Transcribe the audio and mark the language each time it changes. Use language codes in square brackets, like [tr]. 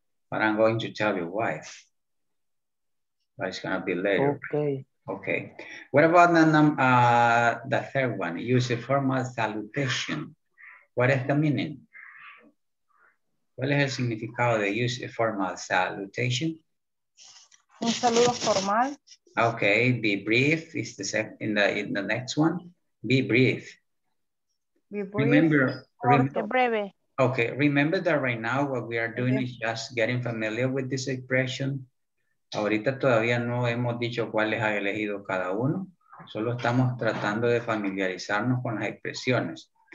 [en] But I'm going to tell you why. But it's going to be later. Okay. Okay. What about the third one? Use a formal salutation. What is the meaning? [es] ¿Cuál es el significado de [en] use a formal salutation? [es] Un saludo formal. [en] Okay, be brief is the same in the next one. Be brief. Be brief. Remember. Okay, remember that right now what we are doing is just getting familiar with this expression. [es] Ahorita todavía no hemos dicho cuáles ha elegido cada uno. Solo estamos tratando de familiarizarnos con las expresiones.